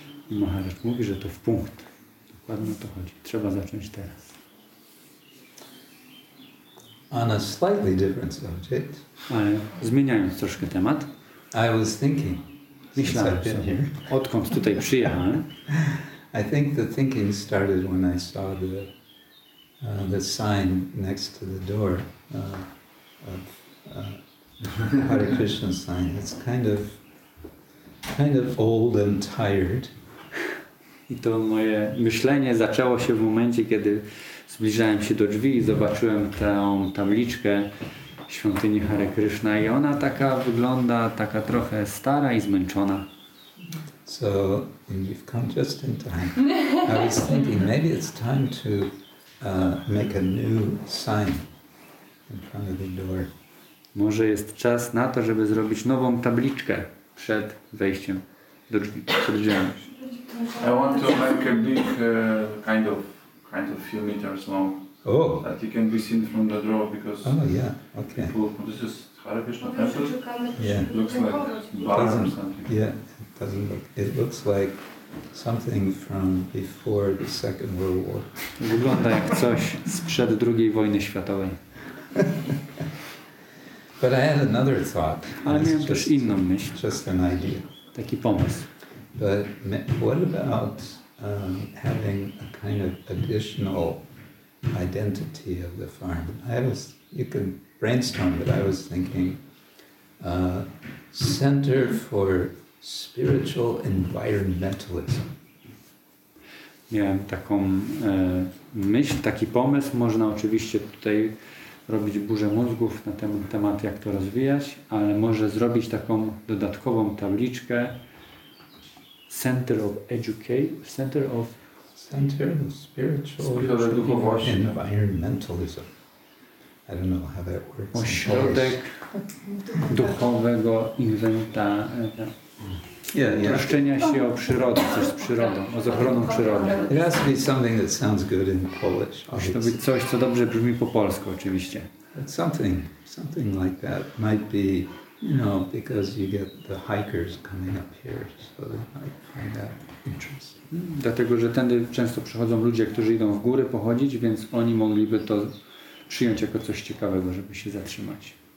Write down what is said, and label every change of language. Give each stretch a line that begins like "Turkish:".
Polish: Maharaj mówi, że to w punkt. Dokładnie o to chodzi. Trzeba zacząć teraz.
English: On a slightly different subject.
Polish: Ale zmieniając troszkę temat.
English: I was thinking.
Polish: Myślałem
English: since I've been here.
Polish: Odkąd tutaj przyjechałem.
English: I think the thinking started when I saw the sign next to the door of Hare Krishna sign. It's kind of old and tired.
Polish: I to moje myślenie zaczęło się w momencie, kiedy zbliżałem się do drzwi i zobaczyłem tę tabliczkę świątyni Hare Krishna i ona taka wygląda, taka trochę stara i zmęczona.
English: So, you've come just in time. I was thinking, maybe it's time to make a new sign in front of the door.
Polish: Może jest czas na to, żeby zrobić nową tabliczkę przed wejściem do drzwi, przed drzwiami.
English: I want to make a big kind of few meters long that you can be seen from the draw because People, this is Hare Krishna temple. Yeah. Looks like bar or something. Yeah, it doesn't look. It looks like something from before the Second World War.
Polish: Wygląda jak coś sprzed II wojny światowej.
English: But I had another thought.
Polish: Ale miałem też inną myśl.
English: Just an idea.
Polish: Taki pomysł.
English: But what about having a kind of additional identity of the farm. You can brainstorm, but I was thinking Center for Spiritual Environmentalism.
Polish: Miałem taką myśl, taki pomysł. Można oczywiście tutaj robić burzę mózgów na temat, jak to rozwijać, ale może zrobić taką dodatkową tabliczkę Center of Spiritual Environmentalism.
English: I don't know how that works.
Polish: Ośrodek duchowego inwenta. Troszczenia się o przyrodę, coś z przyrodą, o ochroną przyrody.
English: It has to be something that sounds good in Polish.
Polish: Musi to być coś, co dobrze brzmi po polsku, oczywiście.
English: But something like that might be, you know, because you get the hikers coming up here, so they might find that interesting.
Polish: Dlatego, że tędy często przychodzą ludzie, którzy idą w góry pochodzić, więc oni mogliby to przyjąć jako coś ciekawego, żeby się zatrzymać.